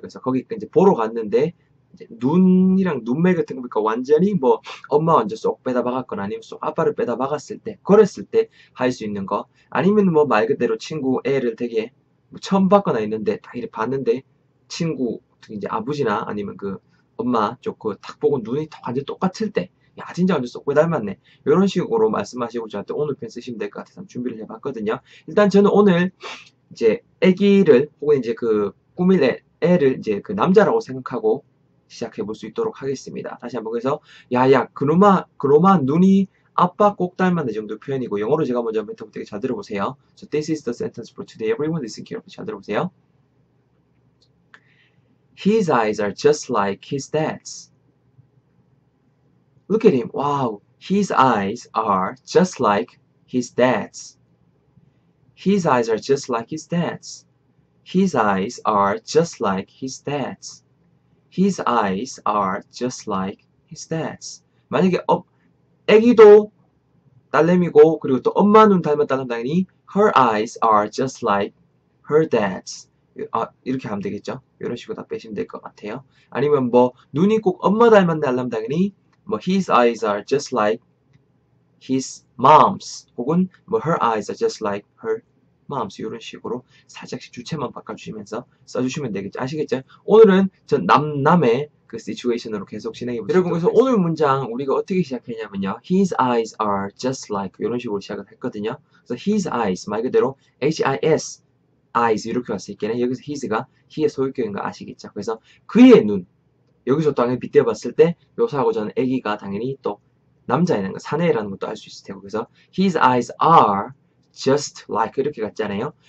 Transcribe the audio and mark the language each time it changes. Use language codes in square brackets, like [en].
[ko] 그래서 거기 이제 보러 갔는데 이제 눈이랑 눈매 같은 거 보니까 완전히 뭐 엄마 완전 쏙 빼다 박았거나 아니면 쏙 아빠를 빼다 박았을 때 그랬을 때할수 있는 거 아니면 뭐말 그대로 친구 애를 되게 뭐 처음 봤거나 했는데 딱 이렇게 봤는데 친구 이제 아버지나 아니면 그 엄마 쪽그딱 보고 눈이 딱 완전 똑같을 때야 진짜 완전 쏙빼 닮았네 이런 식으로 말씀하시고 저한테 오늘 편 쓰시면 될것 같아서 준비를 해봤거든요. 일단 저는 오늘 이제 아기를 혹은 이제 그 꾸밀 애를 이제 그 남자라고 생각하고 시작해 볼수 있도록 하겠습니다. 다시 한번 그래서 야야 그놈아 눈이 아빠 꼭 닮았네 정도 표현이고 영어로 제가 먼저 한번 되게 잘 들어보세요. [en] So this is the sentence for today. Everyone listen carefully. [ko] 잘 들어보세요. [en] His eyes are just like his dad's. Look at him. Wow. His eyes are just like his dad's. His eyes are just like his dad's. His eyes are just like his dad's. His eyes are just like his dad's. [ko] 만약에 아기도 딸내미고 그리고 또 엄마 눈 닮았다는 당연히 [en] her eyes are just like her dad's. [ko] 이렇게 하면 되겠죠? 이런 식으로 다 빼시면 될것 같아요. 아니면 뭐 눈이 꼭 엄마 닮았다 하면 당연히 뭐 [en] his eyes are just like his mom's [ko] 혹은 뭐 [en] her eyes are just like her Moms [ko] 이런 식으로 살짝씩 주체만 바꿔주시면서 써주시면 되겠죠. 아시겠죠? 오늘은 전 남남의 그 시츄에이션으로 계속 진행해 볼수 여러분, 있도록 그래서 오늘 하겠습니다. 문장 우리가 어떻게 시작했냐면요. [en] His eyes are just like [ko] 이런 식으로 시작을 했거든요. 그래서 [en] his eyes [ko] 말 그대로 [en] H-I-S eyes [ko] 이렇게 할수 있겠네. 여기서 his가 he의 소유격인 거 아시겠죠? 그래서 그의 눈 여기서 당연히 빗대어 봤을 때 묘사하고 저는 아기가 당연히 또 남자라는 거 사내라는 것도 알수 있을 테고 그래서 [en] his eyes are Just like [ko] 이렇게 갔잖아요.